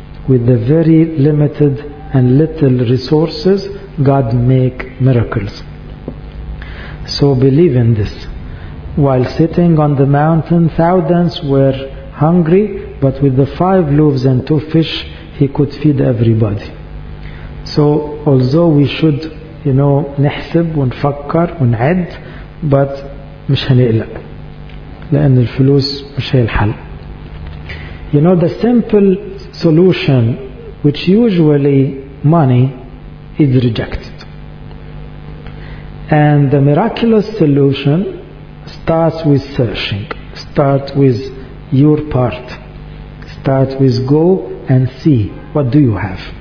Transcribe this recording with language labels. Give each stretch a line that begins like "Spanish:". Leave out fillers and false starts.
English: With the very limited and little resources, God makes miracles. So believe in this. While sitting on the mountain, thousands were hungry, but with the 5 loaves and 2 fish, he could feed everybody. So although we should, you know,
Arabic: نحسب ونفكر ونعد,
English: but
Arabic: مش هنقلق, لأن الفلوس مش هي الحل.
English: You know, the simple solution, which usually money, is rejected. And the miraculous solution starts with searching. Start with your part. Start with go and see, what do you have?